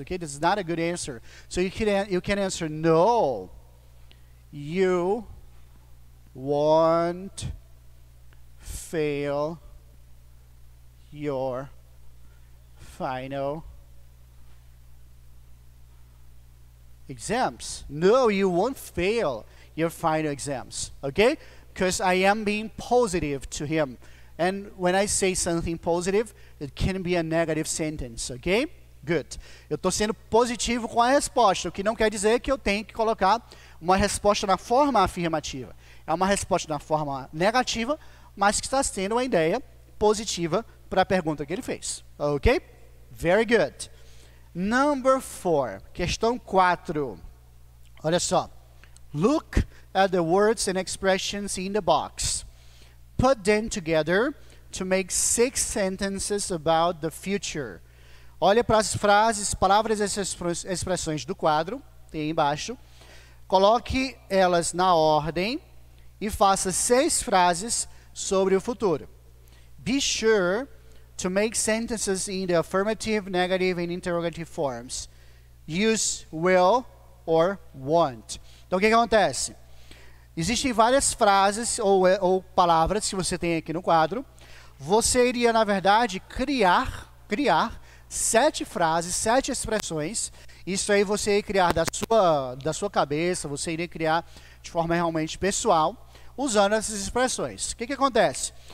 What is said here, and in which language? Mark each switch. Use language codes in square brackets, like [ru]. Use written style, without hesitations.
[en] Okay, this is not a good answer. So you can answer, no, you won't fail your final exams. No, you won't fail your final exams, okay? Because I am being positive to him. And when I say something positive, it can be a negative sentence, okay? Good. [pt] Eu estou sendo positivo com a resposta, o que não quer dizer que eu tenho que colocar uma resposta na forma afirmativa. É uma resposta na forma negativa, mas que está sendo uma ideia positiva para a pergunta que ele fez, okay? [en] Very good. Number four, [pt] questão 4. Olha só. [en] Look at the words and expressions in the box. Put them together to make 6 sentences about the future. [pt] Olha para as frases, palavras e expressões do quadro, tem aí embaixo. Coloque elas na ordem e faça 6 frases sobre o futuro. [en] Be sure to make sentences in the affirmative, negative, and interrogative forms. Use will or won't. [pt] Então, o que acontece? Existem várias frases ou palavras que você tem aqui no quadro. Você iria, na verdade, criar 7 frases, 7 expressões. Isso aí você iria criar da sua cabeça, você iria criar de forma realmente pessoal, usando essas expressões. O que acontece?